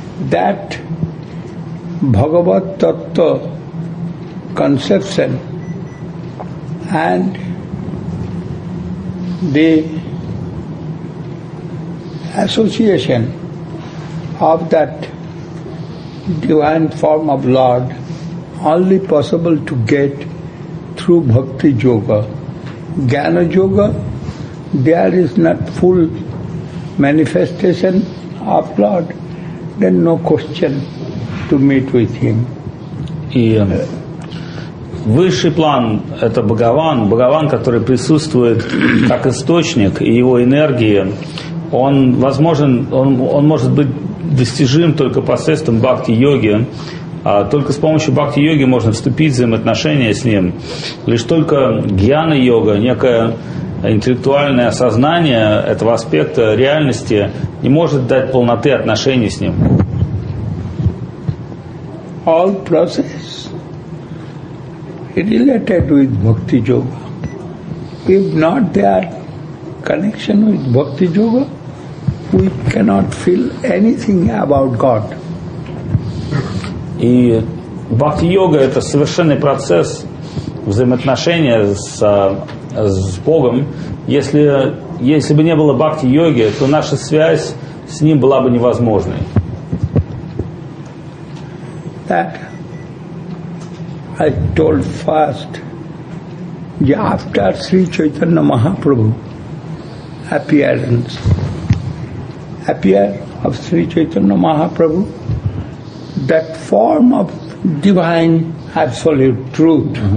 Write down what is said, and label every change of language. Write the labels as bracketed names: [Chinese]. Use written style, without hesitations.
[English] That Bhagavat tattva conception and the association of that divine form of Lord only possible to get through bhakti yoga. Jnana yoga, there is not full manifestation of Lord, then no question to meet with him. [Russian] И высший план – это Бхагаван. Бхагаван, который присутствует как источник, и его энергии, он возможен, он может быть достижим только посредством бхакти-йоги. Только с помощью бхакти-йоги можно вступить в взаимоотношения с ним. Лишь только гьяна-йога, некое интеллектуальное осознание этого аспекта реальности, не может дать полноты отношений с ним. [English] All process related with bhakti-yoga. If not there connection with bhakti-yoga, we cannot feel anything about God. [Russian] И бхакти-йога – это совершенный процесс взаимоотношения с Богом. Если бы не было бхакти-йоги, то наша связь с Ним была бы невозможной. [English] That I told first, after Sri Chaitanya Mahaprabhu appearance, appear of Sri Chaitanya Mahaprabhu, that form of divine absolute truth